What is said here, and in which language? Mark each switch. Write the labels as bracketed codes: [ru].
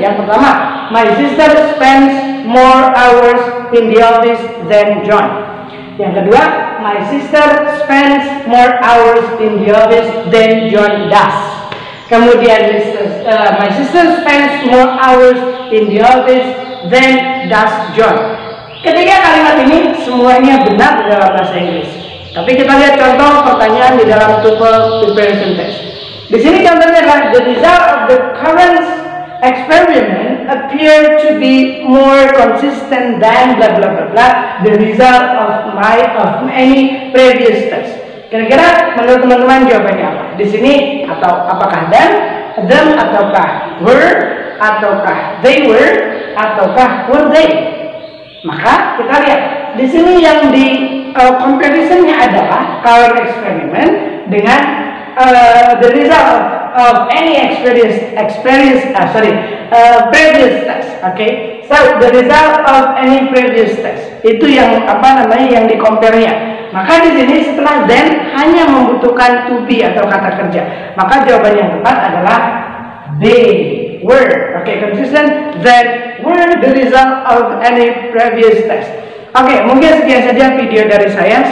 [id] Yang pertama, [en] my sister spends more hours in the office than John. [id] Yang kedua, [en] my sister spends more hours in the office than John does. [id] Kemudian, [en] my sister spends more hours in the office than does John. [id] Ketiga kalimat ini semuanya benar dalam bahasa Inggris. Tapi kita lihat contoh pertanyaan di dalam TOEFL preparation test. Di sini contohnya adalah, [en] the result of the current experiment appear to be more consistent than blah blah blah blah, the result of many previous tests. [id] Kira-kira menurut teman-teman jawabannya apa? Di sini atau apakah dan, them ataukah were, ataukah they were, ataukah were they? Maka kita lihat di sini yang di comparisonnya adalah current experiment dengan [en] the result of any previous test. Okay, so the result of any previous test [id] itu yang yang di compare nya. Maka di sini setelah then hanya membutuhkan to be atau kata kerja. Maka jawaban yang tepat adalah they were. [en] Okay, consistent that were the result of any previous test. [id] Okay, mungkin sekian saja video dari saya.